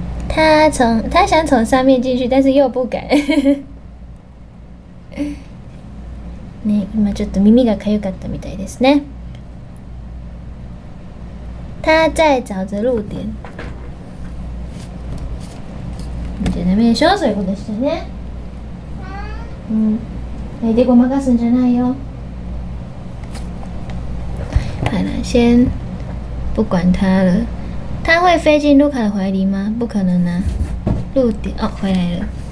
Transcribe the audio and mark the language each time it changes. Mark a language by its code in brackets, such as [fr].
[zh] 他想从上面进去，但是又不敢。 [ja] ね、今ちょっと耳がかゆかったみたいですね。 [zh] 他在找着路点。 [ja] 見てダメでしょ、そういうことしてね。 [zh] 嗯，没得过马甲生真爱哟。好了，先不管他了。他会飞进卢卡的怀里吗？不可能啊！路点哦，回来了。